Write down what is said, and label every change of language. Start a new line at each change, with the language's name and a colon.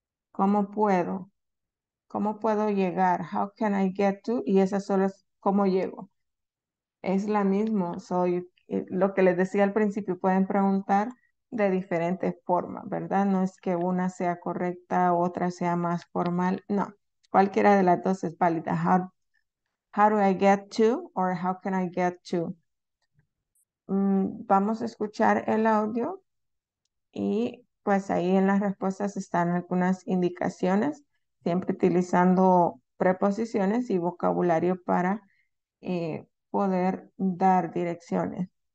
Spanish: ¿Cómo puedo? ¿Cómo puedo llegar?
English: How can I get to?
Spanish: Y esa solo es cómo llego. Es la misma. So, lo que les decía al principio, pueden preguntar de diferentes formas, ¿verdad? No es que una sea correcta, otra sea más formal. No, cualquiera de las dos es válida.
English: How do I get to or how can I get to?
Spanish: Vamos a escuchar el audio y pues ahí en las respuestas están algunas indicaciones, siempre utilizando preposiciones y vocabulario para poder dar direcciones.